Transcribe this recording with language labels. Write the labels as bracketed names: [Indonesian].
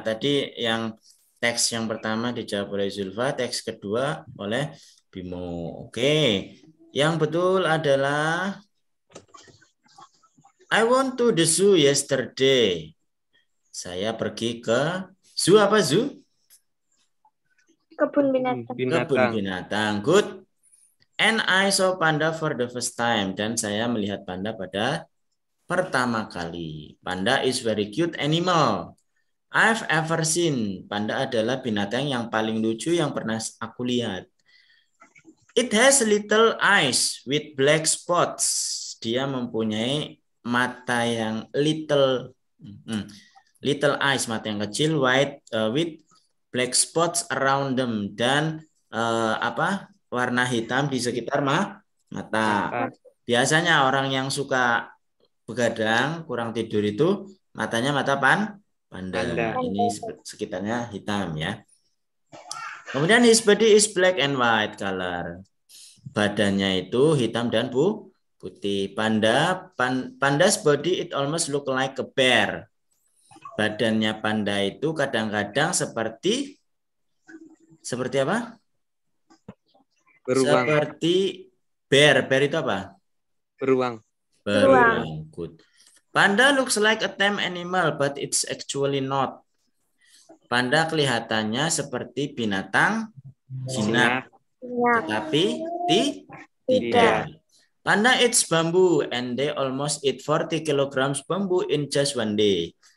[Indonesian] Tadi yang teks yang pertama dijawab oleh Zulfa, teks kedua oleh Bimo. [English] Okay. [Indonesian] Yang betul adalah [English] I went to the zoo yesterday. [Indonesian] Saya pergi ke zoo apa zoo? Kebun binatang. [English] Good. And I saw panda for the first time. [Indonesian] Dan saya melihat panda pada pertama kali. [English] Panda is very cute animal. I've ever seen. [Indonesian] Panda adalah binatang yang paling lucu yang pernah aku lihat. [English] It has little eyes with black spots. [Indonesian] Dia mempunyai mata yang [English] little eyes, [Indonesian] mata yang kecil, [English] white with black spots around them. [Indonesian] Dan warna hitam di sekitar mata. Biasanya orang yang suka begadang, kurang tidur itu, matanya mata panda. Ini sekitarnya hitam ya. [English] Kemudian his body is black and white color. [Indonesian] Badannya itu hitam dan putih. [English] Panda's body it almost look like a bear. [Indonesian] Badannya panda itu kadang-kadang seperti apa? Beruang. Seperti bear. Bear itu apa? Beruang. [English] Good. Panda looks like a tame animal, but it's actually not. [Indonesian] Panda kelihatannya seperti binatang jinak, tetapi tidak. [English] Panda eats bamboo, and they almost eat 40 kilograms bamboo in just one day.